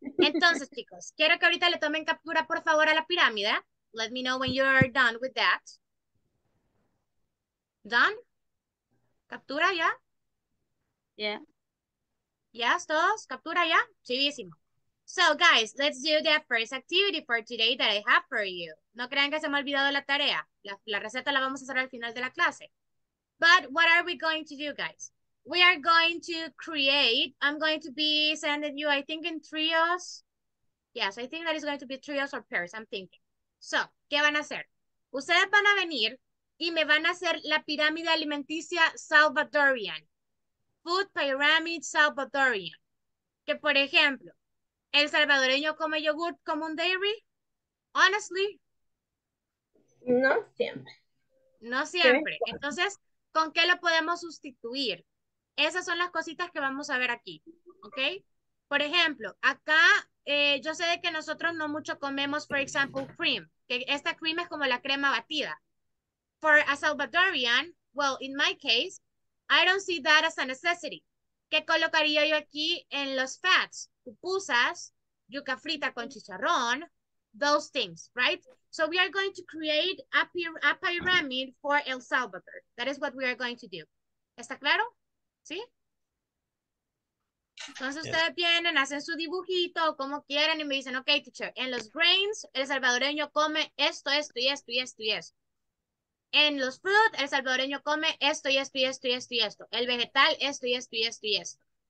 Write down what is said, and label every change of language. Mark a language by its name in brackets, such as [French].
[Spanish] Entonces, chicos, quiero que ahorita le tomen captura, por favor, a la pirámide. [English] Let me know when you're done with that. ¿Done? [Spanish] ¿Captura ya? [English] Yeah. [Spanish] ¿Ya, [English] yes, [Spanish] todos? ¿Captura ya? Chivísimo. [English] So, guys, let's do the first activity for today that I have for you. [Spanish] No crean que se me ha olvidado la tarea. La receta la vamos a hacer al final de la clase. [English] But what are we going to do, guys? We are going to create, I'm going to be sending you, I think, in trios. Yes, I think that is going to be trios or pairs, I'm thinking. [Spanish] So, ¿qué van a hacer? Ustedes van a venir y me van a hacer la pirámide alimenticia salvadorian. [English] Food pyramid salvadorian. [Spanish] Que, por ejemplo, ¿el salvadoreño come yogurt como un dairy? [English] Honestly. [Spanish] No siempre. No siempre. Entonces, ¿con qué lo podemos sustituir? Esas son las cositas que vamos a ver aquí, ¿ok? Por ejemplo, acá yo sé de que nosotros no mucho comemos, [English] for example, cream. [Spanish] Que esta cream es como la crema batida. [English] For a Salvadorian, well, in my case, I don't see that as a necessity. [Spanish] ¿Qué colocaría yo aquí en los fats? Pupusas, yuca frita con chicharrón, [English] those things, right? So we are going to create a pyramid for El Salvador. That is what we are going to do. [Spanish] ¿Está claro? ¿Sí? Entonces [English] yeah. [Spanish] Ustedes vienen, hacen su dibujito, como quieran, y me dicen, ok, teacher, en los grains, el salvadoreño come esto, esto, y esto, y esto, y esto. En los fruit, el salvadoreño come esto, y esto, y esto, y esto, y esto. El vegetal, esto, y esto, y esto, y esto.